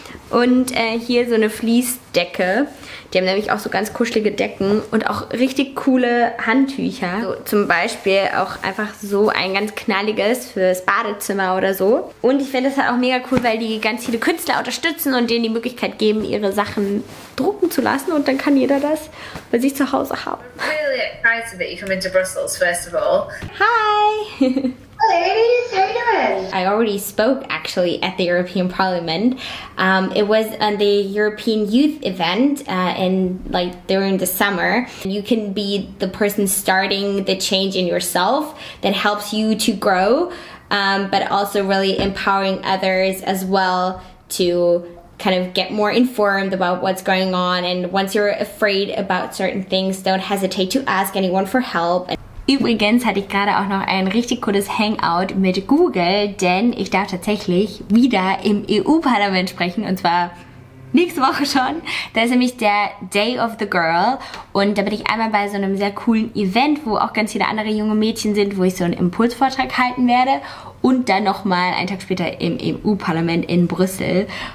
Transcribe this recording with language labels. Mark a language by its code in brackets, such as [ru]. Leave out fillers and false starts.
[de] Und hier so eine Fließdecke. Die haben nämlich auch so ganz kuschelige Decken und auch richtig coole Handtücher. So, zum Beispiel auch einfach so ein ganz knalliges fürs Badezimmer oder so. Und ich finde das halt auch mega cool, weil die ganz viele Künstler unterstützen und denen die Möglichkeit geben, ihre Sachen drucken zu lassen. Und dann kann jeder das bei sich zu Hause haben. [en] I'm really excited that you come into Brussels, first of all. Hi! Ladies, how are you doing? I already spoke actually at the European Parliament. It was on the European Youth event in like during the summer. You can be the person starting the change in yourself that helps you to grow, but also really empowering others as well to kind of get more informed about what's going on. And once you're afraid about certain things, don't hesitate to ask anyone for help. [de] Übrigens hatte ich gerade auch noch ein richtig cooles Hangout mit Google, denn ich darf tatsächlich wieder im EU-Parlament sprechen und zwar nächste Woche schon. Da ist nämlich der Day of the Girl und da bin ich einmal bei so einem sehr coolen Event, wo auch ganz viele andere junge Mädchen sind, wo ich so einen Impulsvortrag halten werde und dann nochmal einen Tag später im EU-Parlament in Brüssel.